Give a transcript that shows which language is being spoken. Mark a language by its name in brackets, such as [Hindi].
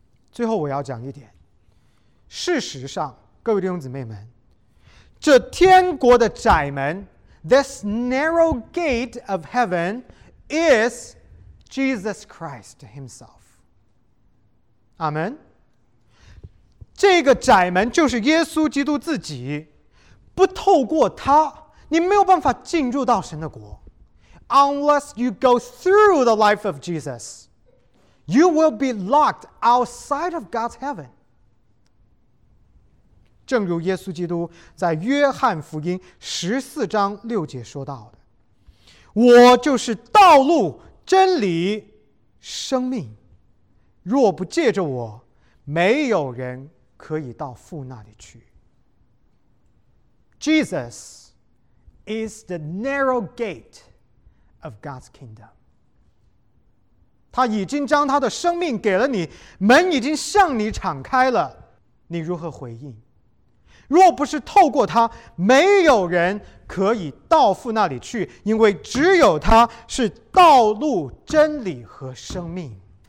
[Chinese] 最后我要讲一点，事实上各位弟兄姊妹们，这天国的窄门， [English] This narrow gate of heaven is Jesus Christ himself. [Chinese] 阿们。这个窄门就是耶稣基督自己，不透过他你没有办法进入到神的国。 [English] Unless you go through the life of JesusYou will be locked outside of God's heaven. [Chinese] 正如耶稣基督在约翰福音14:6说到的，我就是道路、真理、生命，若不借着我，没有人可以到父那里去。 [English] Jesus is the narrow gate of God's kingdom. [Chinese] 他已经将他的生命给了你，门已经向你敞开了，你如何回应？若不是透过他，没有人可以到父那里去，因为只有他是道路、真理和生命。